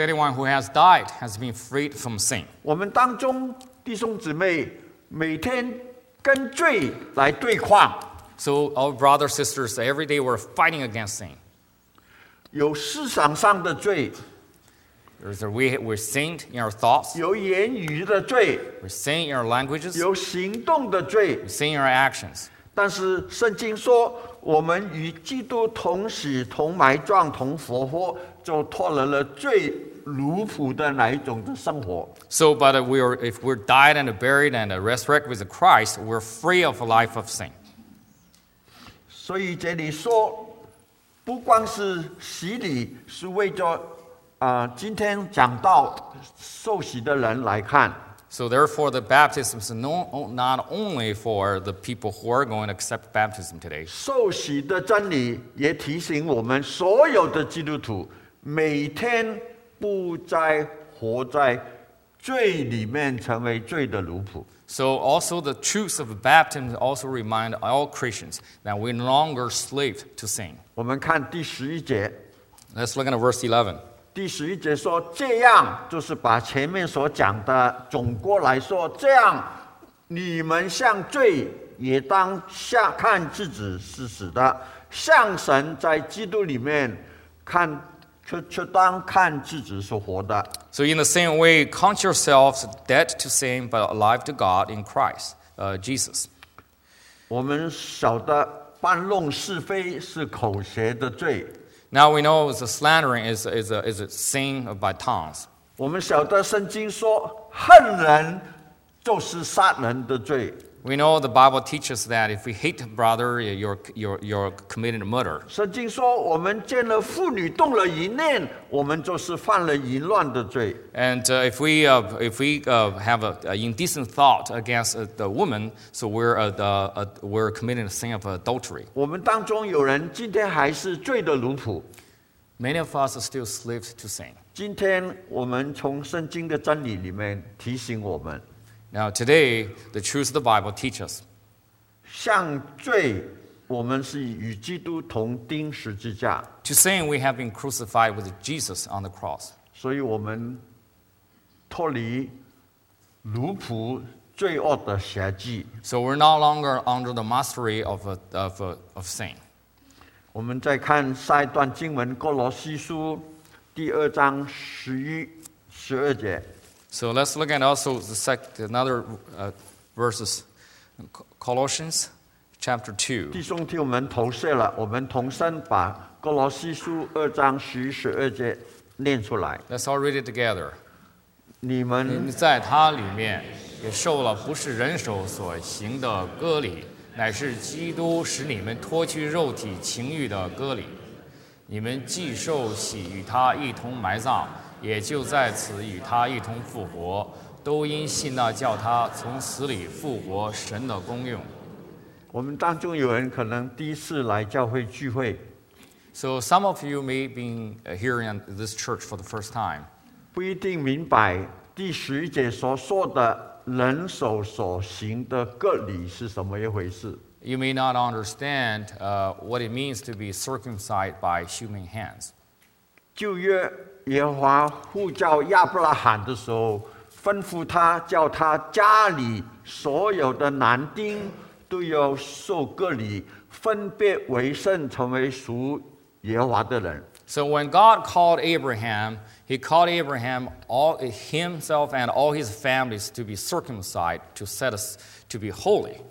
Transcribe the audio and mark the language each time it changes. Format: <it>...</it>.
<en>anyone who has died has been freed from sin.</en> <zh>我们当中弟兄姊妹每天跟罪来对抗。</zh> <en>So our brothers and sisters, every day we're fighting against sin.</en> <zh>有思想上的罪,</zh> <en>we're sinned in our thoughts.</en> <zh>有言语的罪,</zh> <en>we're sinned in our languages.</en> <zh>有行动的罪,</zh> <en>we're sinned in our actions.</en> <zh>但是圣经说我们与基督同死同埋葬同复活，就脱离了罪奴仆的那一种的生活。</zh> <en>So but if we're died and buried and resurrected with Christ, we're free of a life of sin.</en> <zh>所以这里说不光是洗礼是为着今天讲到受洗的人来看。</zh> <en>So therefore the baptism is not only for the people who are going to accept baptism today.</en> <zh>受洗的真理也提醒我们所有的基督徒每天不再活在罪里面成为罪的奴仆。</zh> <en>So also the truth of baptism also reminds all Christians that we're no longer slaves to sin.</en> <zh>我们看第十一节。</zh> <en>Let's look at verse 11.</en> <zh>第十一节说，这样就是把前面所讲的总过来说，这样你们向罪也当下看自己是死的，向神在基督里面看却当看自己是活的。</zh> <en>So in the same way, count yourselves dead to sin, but alive to God in Christ, Jesus.</en> <zh>我们晓得搬弄是非是口舌的罪。</zh> <en>Now we know the slandering is a sin by tongues.</en> <zh>我们晓得圣经说恨人就是杀人的罪。</zh> <en>We know the Bible teaches that if we hate a brother, you're committing a murder.</en> <zh>圣经说我们见了妇女动了淫念，我们就是犯了淫乱的罪。</zh> <en>And if we have an indecent thought against the woman, so we're committing a sin of adultery.</en> <zh>我们当中有人今天还是罪的奴仆。</zh> <en>Many of us are still slaves to sin.</en> <zh>今天我们从圣经的真理里面提醒我们。</zh> <en>Now today, the truth of the Bible teaches us.</en> <zh>向罪，我们是与基督同钉十字架。</zh> <en>To sin, we have been crucified with Jesus on the cross.</en> <zh>所以我们脱离奴仆罪恶的辖制。</zh> <en>So we're no longer under the mastery of sin.</en> <zh>我们再看下一段经文，哥罗西书第二章十二节。</zh> <en>So let's look at also the another verses, Colossians chapter 2.</en> <zh>弟兄替我们投射了，我们同声把哥罗西书二章十一十二节念出来。</zh> <en>Let's all read it together.</en> <zh>你们在他里面也受了不是人手所行的割礼，乃是基督使你们脱去肉体情欲的割礼。你们既受洗与他一同埋葬，也就在此与他一同复活，都因信那叫他从死里复活神的功用。我们当中有人可能第一次来教会聚会。</zh> <en>So some of you may be here in this church for the first time.</en> <zh>不一定明白第十一节所说的人手所行的割礼是什么一回事。</zh> <en>You may not understand what it means to be circumcised by human hands.</en> <zh>旧约耶和华呼召亚伯拉罕的时候，吩咐他叫他家里所有的男丁都要受割礼，分别为圣，成为属耶和华的人。</zh> <en>So when God called Abraham, He called Abraham all himself and all his families to be circumcised to set us to be holy.</en>